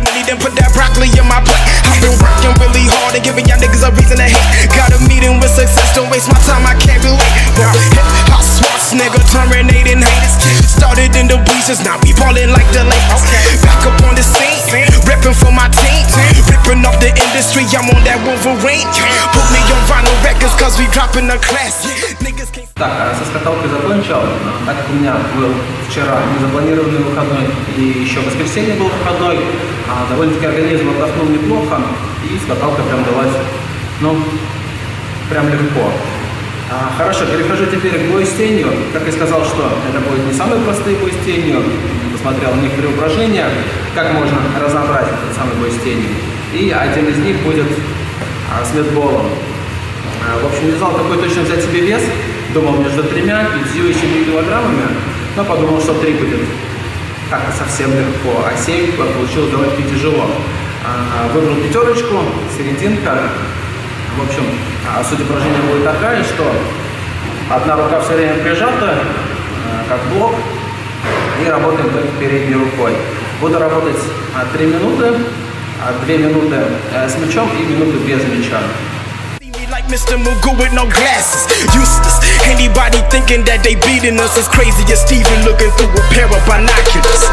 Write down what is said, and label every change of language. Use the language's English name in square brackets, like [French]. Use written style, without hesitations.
[Russian] Хорошо тогда, 3 раунда по 3 минуты, поехали. [English] Started in the breezes, now we ballin' like the Lakers. Back up on the scene, reppin' for my team. Rippin' off the industry, I'm on that Wolverine. Put me on vinyl records, cause we droppin' the class. [Russian] Так, со скаталкой закончил. Так как у меня был вчера незапланированный выходной и еще воскресенье был выходной, довольно-таки организм отдохнул неплохо, и скаталка прям далась, ну, прям легко. Хорошо, перехожу теперь к бою с тенью. Как я сказал, что это будет не самый простой бой с тенью. Посмотрел на них преображения, как можно разобрать этот самый бой с тенью. И один из них будет с медболом. В общем, не знал, какой точно взять себе вес. Думал между 3, 5 и 7 килограммами, но подумал, что 3 будет как-то совсем легко, а 7 получилось довольно-таки тяжело. Выбрал пятерочку, серединка. В общем, суть упражнения будет такая, что одна рука все время прижата, как блок, и работаем только передней рукой. Буду работать 3 минуты, 2 минуты с мячом и минуты без мяча. [English] Mr. Mugu with no glasses, useless. Anybody thinking that they beating us is crazy. You're Steven looking through a pair of binoculars.